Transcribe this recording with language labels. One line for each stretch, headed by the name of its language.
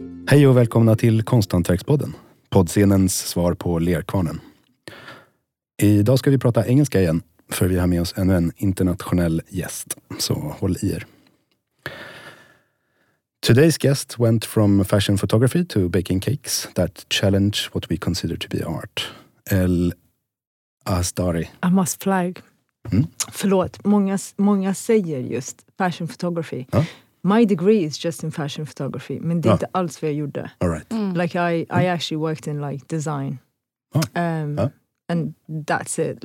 Swedish: Hej och välkomna till Konsthantverkspodden, poddscenens svar på Lerkvarnen. Idag ska vi prata engelska igen, för vi har med oss ännu en internationell gäst, så håll i er.
English: Today's guest went from fashion photography to baking cakes that challenge what we consider to be art. El Asdari. I must flag.
Swedish: Förlåt, många säger just fashion photography. Ja.
English: My degree is just in fashion photography,
Swedish: men det är inte alls vad jag gjorde.
English: All right. Mm. Like I actually worked in like design. And that's it.